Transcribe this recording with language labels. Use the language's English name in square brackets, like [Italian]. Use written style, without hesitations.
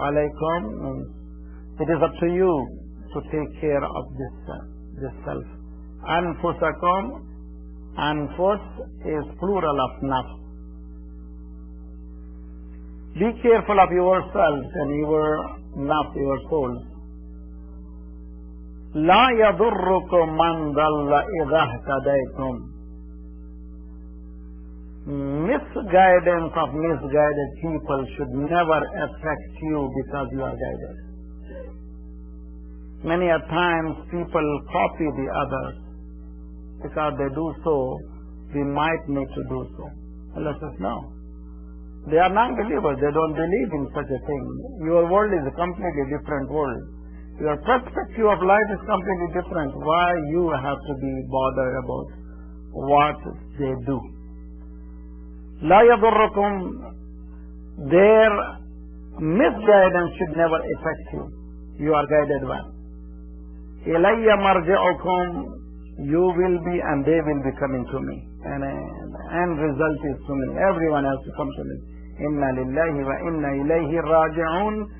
[English] Alaykum means it is up to you to take care of this self. Anfusakum, anfus is plural of nafs. Be careful of yourself and your nafs, your soul. [Arabic] لا يضركم من ضل إذا اهتديتم. [English] Misguidance of misguided people should never affect you because you are guided. Many a times people copy the others. Because they do so, we might need to do so. Allah says, no. They are non-believers. They don't believe in such a thing. Your world is a completely different world. Your perspective of life is completely different. Why you have to be bothered about what they do? [Arabic] لا يضركم. [English] Their misguidance should never affect you. You are guided one. [Arabic] إلي مرجعكم. [English] You will be and they will be coming to me. And end result is to me. Everyone has to come to me. [Arabic] إنا لله وإنا إليه راجعون.